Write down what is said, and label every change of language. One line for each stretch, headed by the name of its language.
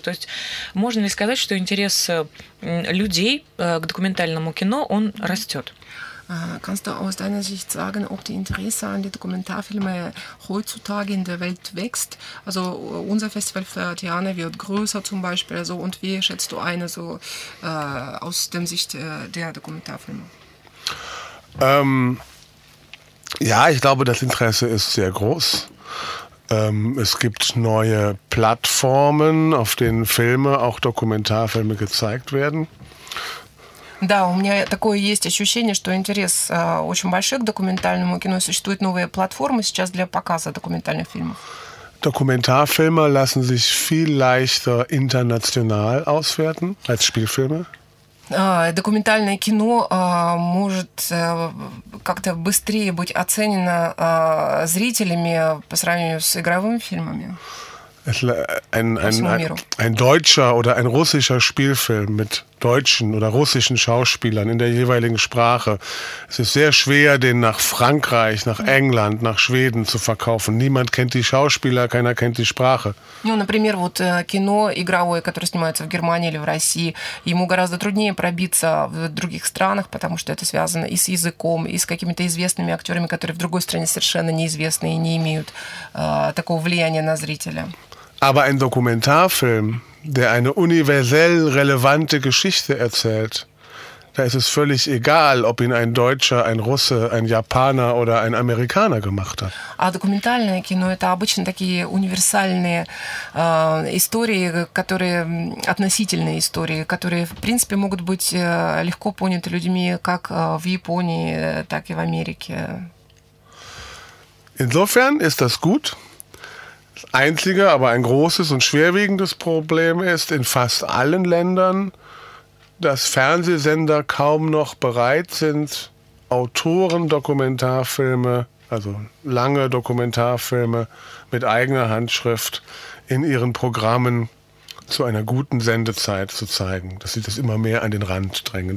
Russian: То есть можно ли сказать, что интерес людей к документальному кино, он растет?
German: Kannst du aus deiner Sicht sagen, ob die Interesse an die Dokumentarfilme heutzutage in der Welt wächst? Also unser Festival Flortiane wird größer zum Beispiel. So, und wie schätzt du eine so aus der Sicht der Dokumentarfilme? Ja, ich glaube, das Interesse ist sehr groß. Es gibt neue Plattformen, auf denen Filme, auch Dokumentarfilme, gezeigt werden.
Russian: Да, у меня такое есть ощущение, что интерес очень большой к документальному кино. Существуют новые платформы сейчас для показа документальных фильмов.
German: Документарфильмы lassen sich viel leichter international auswerten als Spielfilme.
Russian: Документальное кино может как-то быстрее быть оценено зрителями по сравнению с игровыми фильмами.
German: Ein deutscher oder ein russischer Spielfilm mit deutschen oder russischen Schauspielern in der jeweiligen Sprache. Es ist sehr schwer, den nach Frankreich, nach England, nach Schweden zu verkaufen. Niemand kennt die Schauspieler, keiner kennt die Sprache.
Russian: Ну, например, вот кино игровое, которое снимается в Германии или в России, ему гораздо труднее пробиться в других странах, потому что это связано и с языком, и с какими-то известными актерами, которые в другой стране совершенно неизвестны и не имеют такого влияния на зрителя.
German: Aber ein Dokumentarfilm, der eine universell relevante Geschichte erzählt, da ist es völlig egal, ob ihn ein Deutscher, ein Russe, ein Japaner oder ein Amerikaner gemacht hat.
Russian: А документальное кино это обычно такие универсальные истории, которые относительные истории, которые в принципе могут быть легко поняты людьми как в Японии, так и в Америке.
German: Insofern ist das gut. Einzige, aber ein großes und schwerwiegendes Problem ist in fast allen Ländern, dass Fernsehsender kaum noch bereit sind, Autoren-Dokumentarfilme also lange Dokumentarfilme mit eigener Handschrift in ihren Programmen zu einer guten Sendezeit zu zeigen, dass sie das immer mehr an den Rand drängen.